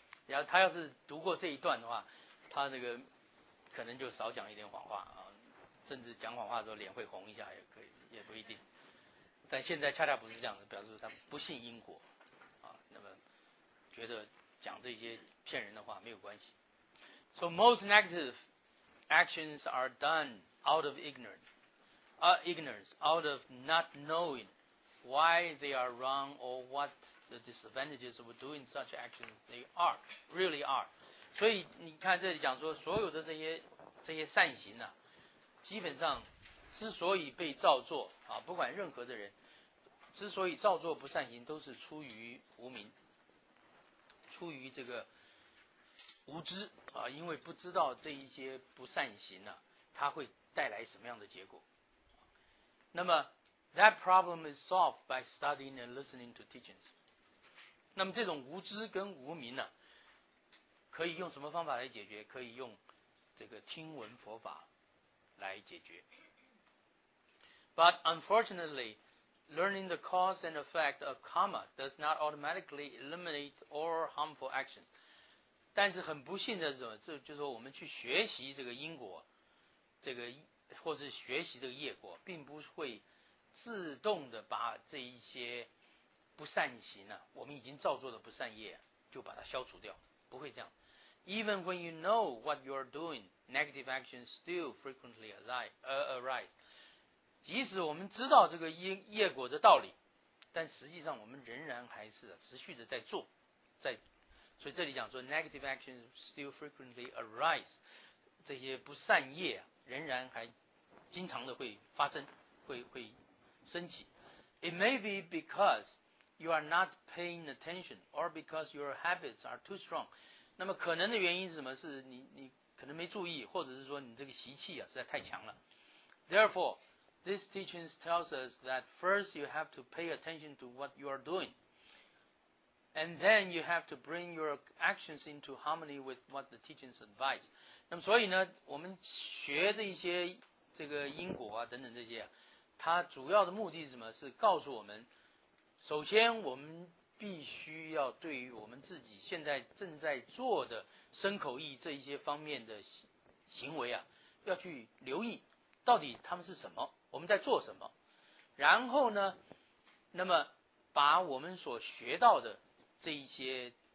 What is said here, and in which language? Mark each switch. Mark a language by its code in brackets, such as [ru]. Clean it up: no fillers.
[zh] 然后他要是读过这一段的话，他那个可能就少讲一点谎话啊，甚至讲谎话的时候脸会红一下也可以，也不一定。但现在恰恰不是这样的，表示他不信因果啊，那么觉得讲这些骗人的话没有关系。 [en] So most negative actions are done out of ignorance, out of not knowing why they are wrong or what. The disadvantages of doing such actions, they are, really are. [zh] 所以你看这里讲说，所有的这些善行呢、啊，基本上之所以被造作啊，不管任何的人，之所以造作不善行，都是出于无明，出于这个无知啊，因为不知道这一些不善行呢、啊，它会带来什么样的结果。那么 [en] that problem is solved by studying and listening to teachings. [zh] 那么这种无知跟无明呢、啊、可以用什么方法来解决？可以用这个听闻佛法来解决。 [en] But unfortunately, learning the cause and effect of karma does not automatically eliminate all harmful actions. [zh] 但是很不幸的是什么？就是说我们去学习这个因果，这个或是学习这个业果，并不会自动的把这一些不善行呢、啊，我们已经造作的不善业就把它消除掉，不会这样。 [en] Even when you know what you are doing, negative actions still frequently arise. [zh] 即使我们知道这个业果的道理，但实际上我们仍然还是持续的在做，在。所以这里讲说 ， [en] negative actions still frequently arise， [zh] 这些不善业仍然还经常的会发生，会升起。 [en] It may be because You are not paying attention, or because your habits are too strong. [zh] 那么可能的原因是什么？是你可能没注意，或者是说你这个习气啊实在太强了。 [en] Therefore, this teaching tells us that first you have to pay attention to what you are doing, and then you have to bring your actions into harmony with what the teachings advise. [zh] 那么所以呢，我们学这一些这个因果啊等等这些、啊，它主要的目的是什么？是告诉我们。首先我们必须要对于我们自己现在正在做的身口意这一些方面的行为啊要去留意到底他们是什么我们在做什么然后呢那么把我们所学到的这一些